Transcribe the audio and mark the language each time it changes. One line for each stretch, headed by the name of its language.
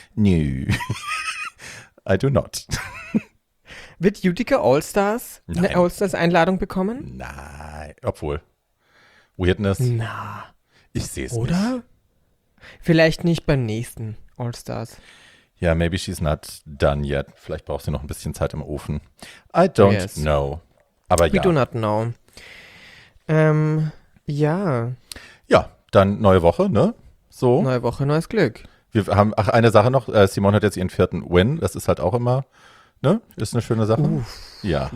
English: Nö. No. I do not.
German: Wird Utica All-Stars eine All-Stars-Einladung bekommen? Nein, obwohl. Weirdness. Na. Ich sehe es nicht. Oder? Vielleicht nicht beim nächsten All-Stars.
English: Ja, yeah, maybe she's not done yet.
German: Vielleicht braucht sie noch ein bisschen Zeit im Ofen.
English: I don't know. Aber We do not know. Ja.
German: Ja, dann neue Woche, ne? So. Neue Woche, neues Glück. Wir haben, ach, eine Sache noch. Simone hat jetzt ihren vierten Win. Das ist halt auch immer... Ne? Ist eine schöne Sache. Uff, ja.